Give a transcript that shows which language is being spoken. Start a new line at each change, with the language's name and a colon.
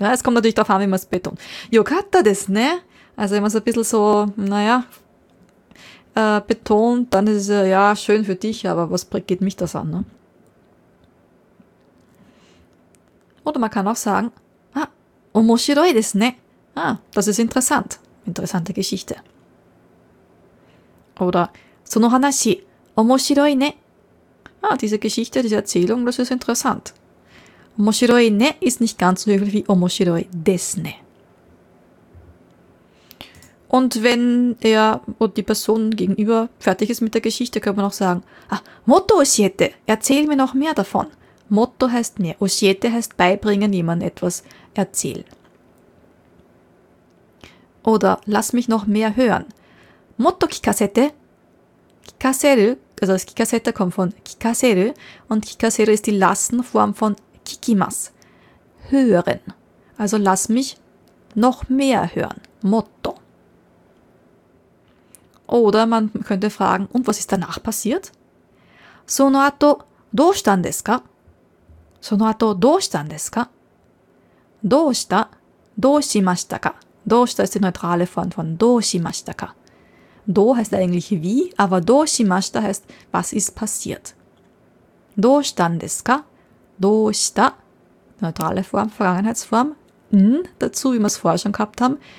German: Es kommt natürlich darauf an, wie man es betont.
Japanese: Yokatta desu ne?
German: Also immer so ein bisschen so, betont, dann ist es ja schön für dich, aber was geht mich das an? Ne? Oder man kann auch sagen, ah,
Japanese: 面白いですね.
German: Ah, das ist interessant. Interessante Geschichte.
Japanese: Oder, その話、面白いね.
German: Ah, diese Geschichte, diese Erzählung, das ist interessant. 面白いね ist nicht ganz so höflich wie 面白いですね. Und wenn er oder die Person gegenüber fertig ist mit der Geschichte, kann man auch sagen, ah,
Japanese: もっと教えて,
German: erzähl mir noch mehr davon. Motto heißt mehr. Oshiete heißt beibringen, jemand etwas erzählen. Oder lass mich noch mehr hören.
Japanese: Motto kikasete.
German: Kikaseru, also das kikasete kommt von kikaseru. Und kikaseru ist die Lassenform von kikimas. Hören. Also lass mich noch mehr hören. Motto. Oder man könnte fragen, und was ist danach passiert?
Japanese: Sono ato, dou shitan desu ka? その後どうしたんですか? どうした?どうしましたか?
German: どうした ist die neutrale Form von どうしましたか? どう heißt eigentlich wie, aber どうしました heißt was ist passiert.
Japanese: どうしたんですか?どうした?
German: neutrale Form, Vergangenheitsform, n dazu, wie wir es vorher schon gehabt haben.